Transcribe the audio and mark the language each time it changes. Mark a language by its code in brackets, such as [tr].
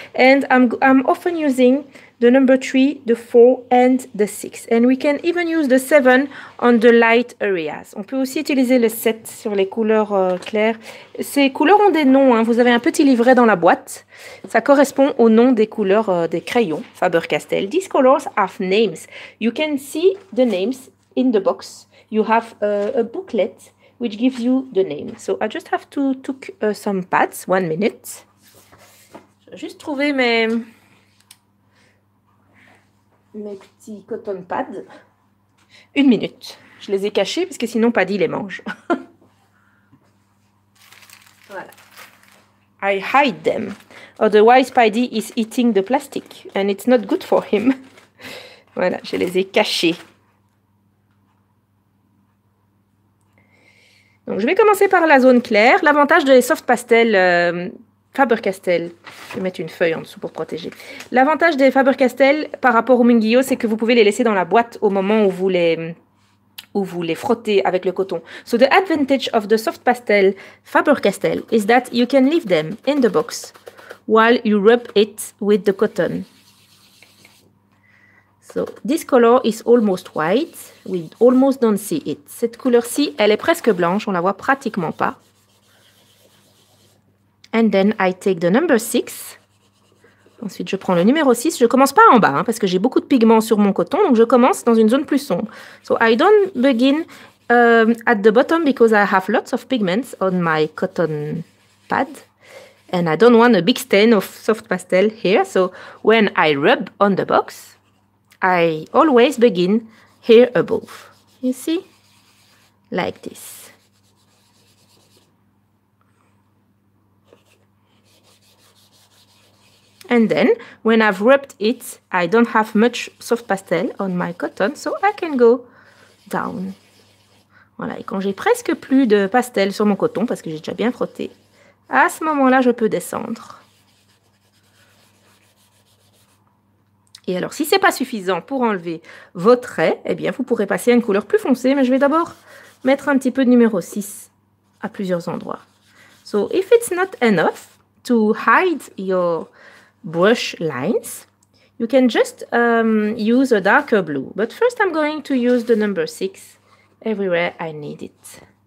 [en] And I'm often using the number 3, the 4 and the 6. And we can even use the 7 on the light areas. [fr] On peut aussi utiliser le 7 sur les couleurs claires. Ces couleurs ont des noms. Hein. Vous avez un petit livret dans la boîte. Ça correspond au nom des couleurs des crayons Faber-Castell. [en] These colors have names. You can see the names in the box. You have a booklet which gives you the name. So I just have to took some pads. 1 minute. [fr] J'ai juste trouvé mes petits cotton pads. 1 minute. Je les ai cachés parce que sinon Paddy les mange. Voilà. [en] I hide them. Otherwise, Paddy is eating the plastic and it's not good for him. [fr] Voilà, je les ai cachés. Donc, je vais commencer par la zone claire. L'avantage des soft pastels Faber-Castell, je vais mettre une feuille en dessous pour protéger. L'avantage des Faber-Castell par rapport au Mungillo, c'est que vous pouvez les laisser dans la boîte au moment où vous les frottez avec le coton. [en] So the advantage of the soft pastel Faber-Castell is that you can leave them in the box while you rub it with the cotton. So this color is almost white. We almost don't see it. [fr] Cette couleur-ci, elle est presque blanche. On la voit pratiquement pas. [en] And then I take the number 6. [fr] Ensuite, je prends le numéro 6. Je commence pas en bas hein, parce que j'ai beaucoup de pigments sur mon coton. Donc, je commence dans une zone plus sombre. [en] So, I don't begin at the bottom because I have lots of pigments on my cotton pad. And I don't want a big stain of soft pastel here. So, when I rub on the box, I always begin here above. You see? Like this. And then, when I've rubbed it, I don't have much soft pastel on my cotton, so I can go down. [fr] Voilà, et quand j'ai presque plus de pastel sur mon coton, parce que j'ai déjà bien frotté, à ce moment-là, je peux descendre. Et alors, si ce n'est pas suffisant pour enlever vos traits, eh bien, vous pourrez passer à une couleur plus foncée, mais je vais d'abord mettre un petit peu de numéro 6 à plusieurs endroits. [en] So, if it's not enough to hide your brush lines, you can just use a darker blue. But first I'm going to use the number 6 everywhere I need it.